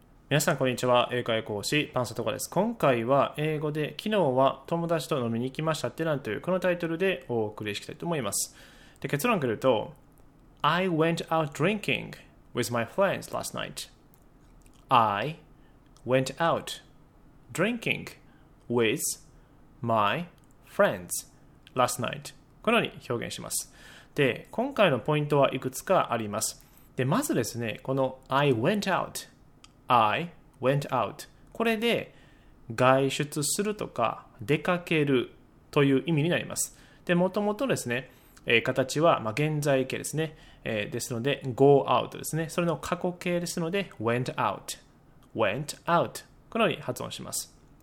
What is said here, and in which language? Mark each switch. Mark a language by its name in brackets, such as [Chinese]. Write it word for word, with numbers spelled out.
[Japanese] 皆さんこんにちは、英会講師パンサトコです。今回は英語で昨日は友達と飲みに行きましたってなんというこのタイトルでお送りしたいと思います。で結論くると [English] I went out drinking with my friends last night. I went out drinking with my friends last night [Japanese] このように表現します。で今回のポイントはいくつかあります。でまずですね、この [English] I went out I went out [Japanese] これで外出するとか出かけるという意味になります。でもともとですね、えー、形は、まあ、現在形ですね、えー、ですので [English] go out [Japanese] ですね、それの過去形ですので [English] went out went out [Japanese] このように発音します。